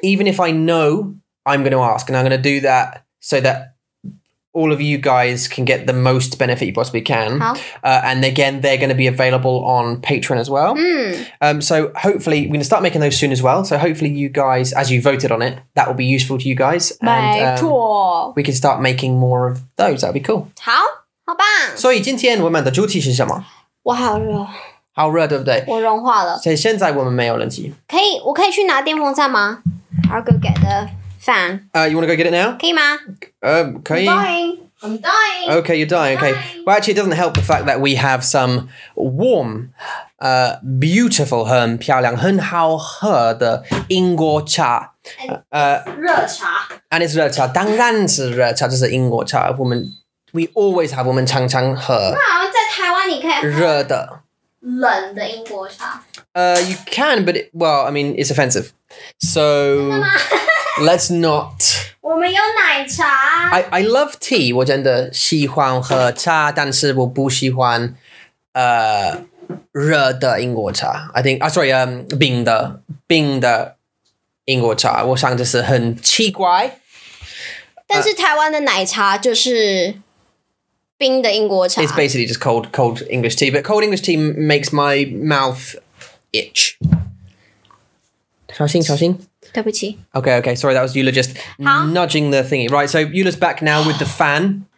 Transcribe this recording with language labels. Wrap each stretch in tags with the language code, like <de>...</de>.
<en>Even if I know, I'm going to ask. And I'm going to do that so that all of you guys can get the most benefit you possibly can. And again, they're going to be available on Patreon as well. So hopefully, we're going to start making those soon as well. So hopefully you guys, as you voted on it, that will be useful to you guys. And we can start making more of those. That'd be cool.</en> <zh>好,好棒。所以今天我们的主题是什么? 我好热。好热,对不对? 我融化了。所以现在我们没有冷气。可以,我可以去拿电风扇吗?</zh> <en>I'll go get the... fan. You want to go get it now?</en> <zh>可以吗?</zh> <en>Okay. I'm dying. Okay, you're dying. Okay. Well, actually, it doesn't help the fact that we have some warm, beautiful,</en> <zh>很漂亮, 很好喝的英国茶.</zh> <en>And it's</en> <zh>热茶.</zh> <en>And it's</en> <zh>热茶. 当然是热茶,就是英国茶.</zh> <en>We always have,</en> <zh>我们常常喝. 那好像在台湾你可以喝热的。冷的英国茶.</zh> <en>You can, but, it's offensive. So... Let's not.</en> <zh>我们有奶茶。</zh> <en>I love tea.</en> <zh>我真的喜欢喝茶，但是我不喜欢，热的英国茶。</zh> <en>I think, sorry,</en> <zh>冰的英国茶。我想这是很奇怪。但是台湾的奶茶就是冰的英国茶。</zh> <en>It's basically just cold English tea. But cold English tea makes my mouth itch.</en> <zh>小心。对不起。</zh> <en>Okay, sorry, that was Yula just nudging the thingy. Right, so Yula's back now with the fan.</en>